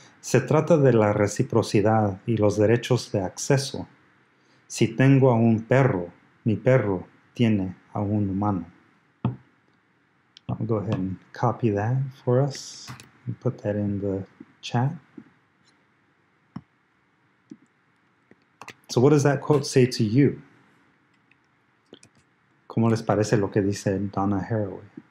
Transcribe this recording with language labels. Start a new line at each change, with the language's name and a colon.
Spanish: Se trata de la reciprocidad y los derechos de acceso. Si tengo a un perro, mi perro tiene a un humano.
English: I'll go ahead and copy that for us and put that in the chat. So what does that quote say to you?
Spanish: ¿Cómo les parece lo que dice Donna Haraway?